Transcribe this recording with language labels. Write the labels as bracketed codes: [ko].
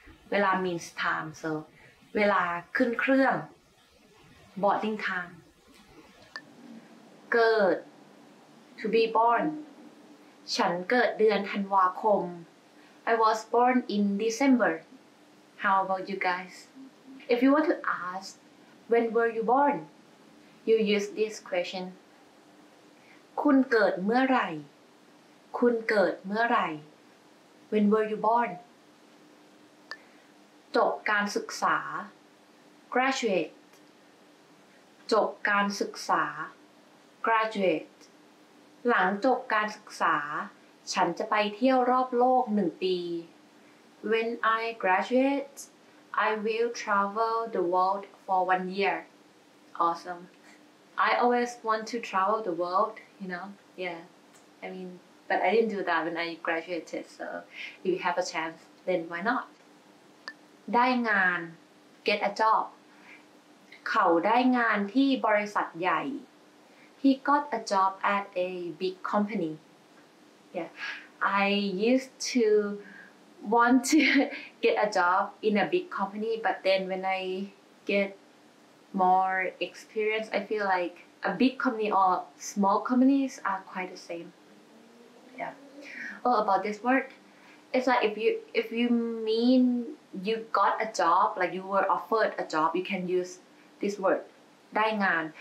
[en] เวลา means time, so เวลาขึ้นเครื่อง boarding time. เกิด to be born. [th] ฉันเกิดเดือนธันวาคม [en] I was born in December. How about you guys? If you want to ask when were you born, you use this question. [th] คุณเกิดเมื่อไหร่คุณเกิดเมื่อไหร่ [en] When were you born? [th] จบการศึกษา Graduate จบการศึกษา Graduate หลังจบการศึกษาฉันจะไปเที่ยวรอบโลก1ปี [en] When I graduate, I will travel the world for 1 year. Awesome. I always want to travel the world, you know? Yeah. I mean, but I didn't do that when I graduated, so if you have a chance, then why not? ได้งาน get a job. [th] เขาได้งานที่บริษัทใหญ่ [en] He got a job at a big company. Yeah. I used to want to get a job in a big company, but then when I get more experience, I feel like a big company or small companies are quite the same. Yeah. Oh, about this word, it's like if you mean you got a job, like you were offered a job, you can use this word, ได้งาน.